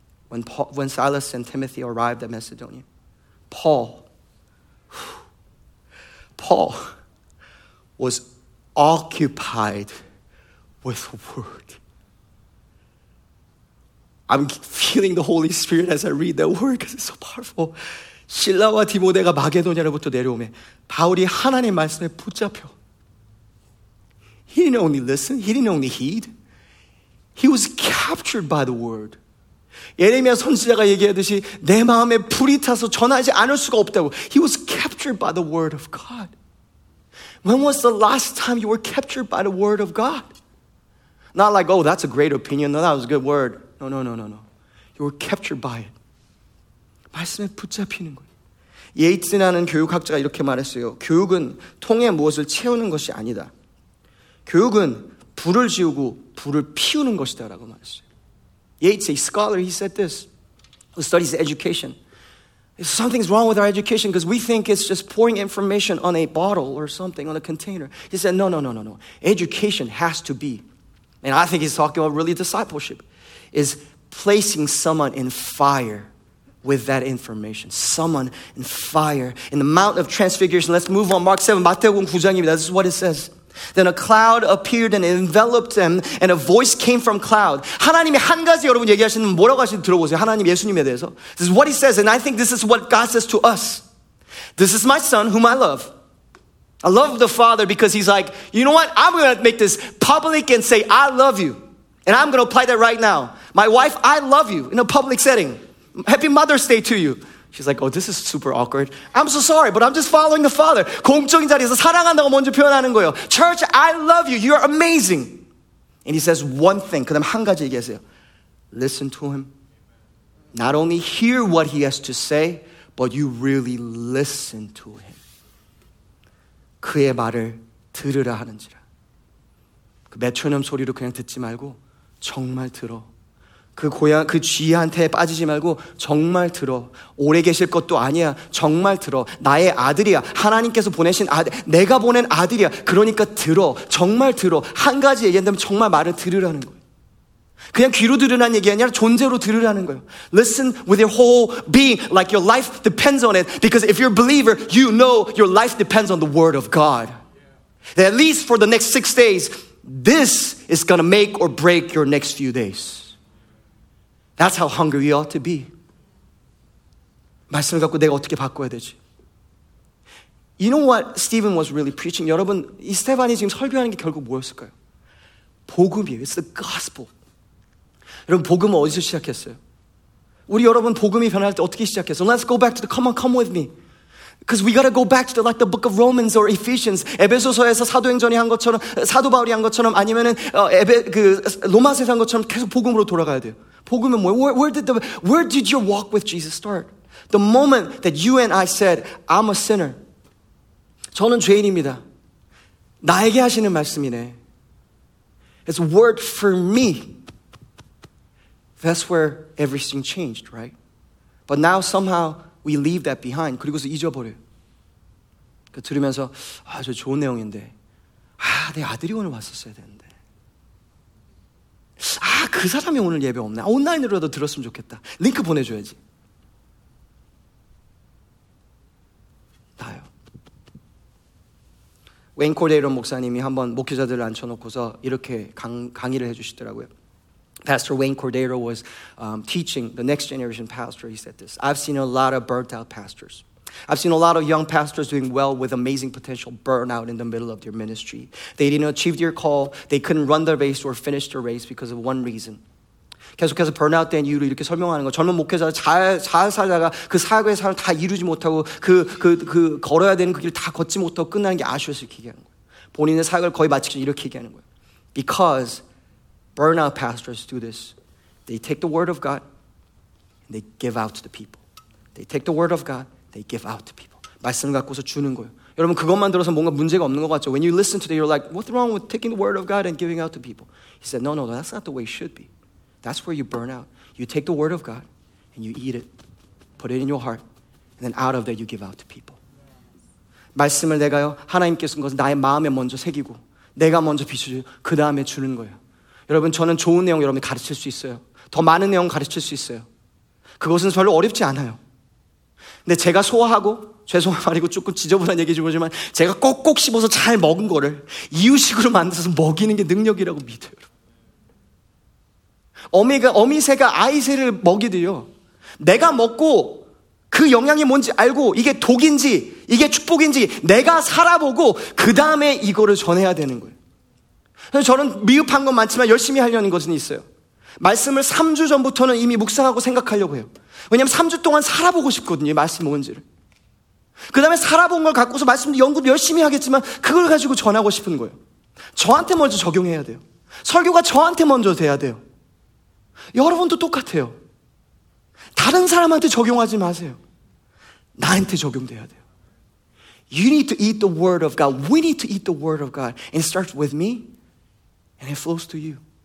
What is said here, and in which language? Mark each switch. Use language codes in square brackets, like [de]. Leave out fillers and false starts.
[en] When Silas and Timothy arrived at Macedonia, Paul was occupied with word. I'm feeling the Holy Spirit as I read that word because it's so powerful. [ko] 실라와 디모데가 마게도냐로부터 내려오매 바울이 하나님 말씀에 붙잡혀. [en] He didn't only listen. He didn't only heed. He was captured by the word. [ko] 예레미야 선지자가 얘기하듯이 내 마음에 불이 타서 전하지 않을 수가 없다고. [en] He was captured by the word of God. When was the last time you were captured by the word of God? Not like, oh, that's a great opinion. No, that was a good word. No, no, no, no, no. You were captured by it. [ko] 말씀에 붙잡히는 거예요. 예이츠라는 교육학자가 이렇게 말했어요. 교육은 통에 무엇을 채우는 것이 아니다. 교육은 불을 지우고 불을 피우는 것이다 라고 말했어요. [en] Yates, a scholar, he said this, who studies education. Something's wrong with our education because we think it's just pouring information on a bottle or something, on a container. He said, no, no, no, no, no. Education has to be, and I think he's talking about really discipleship, is placing someone in fire with that information. Someone in fire. In the Mount of Transfiguration, let's move on. Mark 7, [ko] 마태복음 9장입니다. [en] This is what it says. Then a cloud appeared and enveloped them, and a voice came from cloud. [ko] 하나님이 한 가지 여러분 얘기하시는 뭐라고 하시는지 들어보세요. 하나님 예수님에 대해서. [en] This is what he says, and I think this is what God says to us. This is my son whom I love. I love the Father because he's like, you know what? I'm going to make this public and say, I love you. And I'm going to apply that right now. My wife, I love you in a public setting. Happy Mother's Day to you. She's like, oh, this is super awkward. I'm so sorry, but I'm just following the Father. [ko] 공적인 자리에서 사랑한다고 먼저 표현하는 거예요. [en] Church, I love you. You're amazing. And he says one thing. [ko] 그 다음 한 가지 얘기하세요. [en] Listen to him. Not only hear what he has to say, but you really listen to him. [ko] 그의 말을 들으라 하는지라. 그 메트로놈 소리로 그냥 듣지 말고 정말 들어. 그 고향, 그 쥐한테 빠지지 말고 정말 들어. 오래 계실 것도 아니야. 정말 들어. 나의 아들이야. 하나님께서 보내신 아들, 내가 보낸 아들이야. 그러니까 들어. 정말 들어. 한 가지 얘기한다면 정말 말을 들으라는 거예요. 그냥 귀로 들으라는 얘기 아니라 존재로 들으라는 거예요. [en] Listen with your whole being like your life depends on it. Because if you're a believer, you know your life depends on the word of God. That at least for the next 6 days, this is going to make or break your next few days. That's how hungry you ought to be. [ko] 말씀을 갖고 내가 어떻게 바꿔야 되지? [en] You know what Stephen was really preaching? [ko] 여러분, 이 스테반이 지금 설교하는 게 결국 뭐였을까요? 복음이에요. [en] It's the gospel. [ko] 여러분, 복음은 어디서 시작했어요? 우리 여러분, 복음이 변할 때 어떻게 시작했어요? [en] Let's go back to the, come on, come with me. Because we got to go back to the, like the book of Romans or Ephesians. [ko] 에베소서에서 사도행전이 한 것처럼, 사도바울이 한 것처럼, 아니면은 로마서에서 한 것처럼 계속 복음으로 돌아가야 돼요. 복음은 뭐예요? [en] Where did your walk with Jesus start? The moment that you and I said, I'm a sinner. [ko] 저는 죄인입니다. 나에게 하시는 말씀이네. [en] It's a word for me. That's where everything changed, right? But now somehow we leave that behind. [ko] 그리고서 잊어버려요. 그러니까 들으면서, 아, 저 좋은 내용인데. 아, 내 아들이 오늘 왔었어야 되는데. 아, 그 사람이 오늘 예배 없네. 온라인으로라도 들었으면 좋겠다. 링크 보내줘야지. 나요. 웨인 코데이로 목사님이 한번 목회자들을 앉혀놓고서 이렇게 강의를 해주시더라고요. [en] Pastor Wayne Cordero was teaching the next generation pastor. He said this. I've seen a lot of burnt out pastors. I've seen a lot of young pastors doing well with amazing potential burnout in the middle of their ministry. They didn't achieve their call. They couldn't run their race or finish their race because of one reason. [ko] 계속해서 burnout 된 이유를 이렇게 설명하는 거. 젊은 목회자 잘 살다가 그 사역의 삶을 다 이루지 못하고 그 걸어야 되는 그 길을 다 걷지 못하고 끝나는 게 아쉬워서 이렇게 얘기하는 거예요. 본인의 사역을 거의 마치기 전 이렇게 얘기하는 거예요. [en] Because Burnout pastors do this. They take the word of God and they give out to the people. They take the word of God, they give out to people. [ko] 말씀 갖고서 주는 거예요. 여러분 그것만 들어서 뭔가 문제가 없는 것 같죠? [en] When you listen to it, you're like, what's wrong with taking the word of God and giving out to people? He said, no, that's not the way it should be. That's where you burn out. You take the word of God and you eat it, put it in your heart, and then out of there you give out to people. [ko] 말씀을 내가요, 하나님께 쓴 것은 나의 마음에 먼저 새기고 내가 먼저 비추고 그 다음에 주는 거예요. 여러분 저는 좋은 내용 여러분이 가르칠 수 있어요. 더 많은 내용 가르칠 수 있어요. 그것은 별로 어렵지 않아요. 근데 제가 소화하고 죄송한 말이고 조금 지저분한 얘기지 모르지만 제가 꼭꼭 씹어서 잘 먹은 거를 이유식으로 만들어서 먹이는 게 능력이라고 믿어요. 어미새가 아이새를 먹이듯이요. 내가 먹고 그 영향이 뭔지 알고 이게 독인지 이게 축복인지 내가 살아보고 그 다음에 이거를 전해야 되는 거예요. 그래서 저는 미흡한 건 많지만 열심히 하려는 것은 있어요. 말씀을 3주 전부터는 이미 묵상하고 생각하려고 해요. 왜냐하면 3주 동안 살아보고 싶거든요. 이 말씀 뭔지를. 그 다음에 살아본 걸 갖고서 말씀도 연구 열심히 하겠지만 그걸 가지고 전하고 싶은 거예요. 저한테 먼저 적용해야 돼요. 설교가 저한테 먼저 돼야 돼요. 여러분도 똑같아요. 다른 사람한테 적용하지 마세요. 나한테 적용돼야 돼요. [en] You need to eat the word of God. We need to eat the word of God. And it starts with me and it flows to you.